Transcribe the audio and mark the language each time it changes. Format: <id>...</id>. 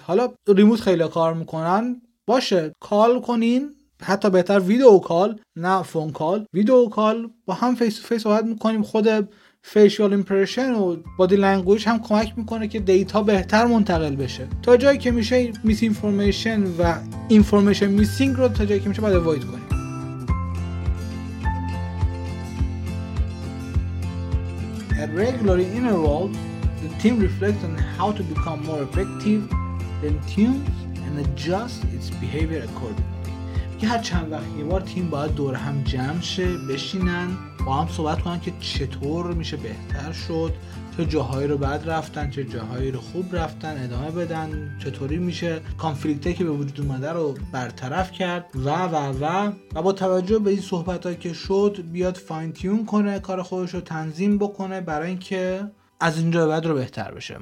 <fa>حالا ریموت خیلی کار میکنن، باشه کال کنین، حتی بهتر ویدیو کال، نه فون کال، ویدیو کال با هم فیس تو فیس صحبت میکنیم. خود فیشیال ایمپرشن و بادی لنگویج هم کمک میکنه که دیتا بهتر منتقل بشه. تا جایی که میشه میس اینفورمیشن و اینفورمیشن میسینگ رو تا جایی که میشه باید اوائد کنیم.</fa> <en>At regular intervals, the team reflects on how to become more effective, then tunes and adjust its behavior accordingly.</en> <fa>یه هر چند وقت یه بار تیم باید دور هم جمع شه، بشینن با هم صحبت کنن که چطور میشه بهتر شد، چه جاهایی رو بد رفتن، چه جاهایی رو خوب رفتن، ادامه بدن، چطوری میشه کانفلیکتی که به وجود اومده رو برطرف کرد و و و و با توجه به این صحبتایی که شد بیاد فاین تیون کنه کار خودش رو، تنظیم بکنه برای اینکه از اینجا به بعد رو بهتر بشه.</fa>